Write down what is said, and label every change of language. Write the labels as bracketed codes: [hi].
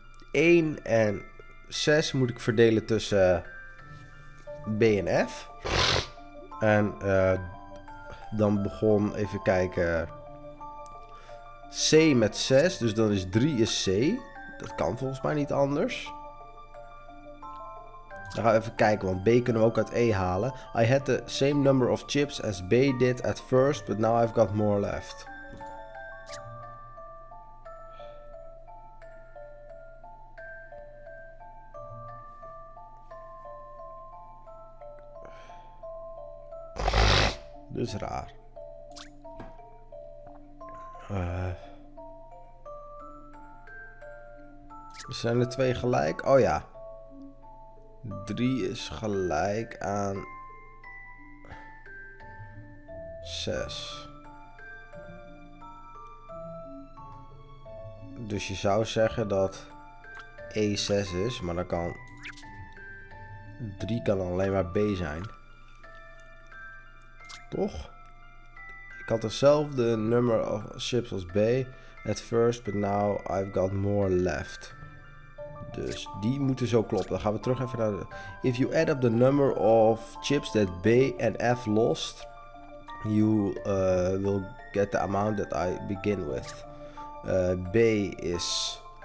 [nl] 1 en 6 moet ik verdelen tussen B en F. En dan begon even kijken. C met 6, dus dan is 3 is C. Dat kan volgens mij niet anders. Dan gaan we even kijken, want B kunnen we ook uit E halen. [en] I had the same number of chips as B did at first, but now I've got more left. [nl] Dus raar. Zijn de 2 gelijk? Oh ja. 3 is gelijk aan 6. Dus je zou zeggen dat E 6 is, maar dan kan 3 kan alleen maar B zijn. Toch? Ik had dezelfde [en] number of chips [nl] als [en] B at first, but now I've got more left. [nl] Dus die moeten zo kloppen. Dan gaan we terug even naar de. [en] If you add up the number of chips that B and F lost, you will get the amount that I begin with. B is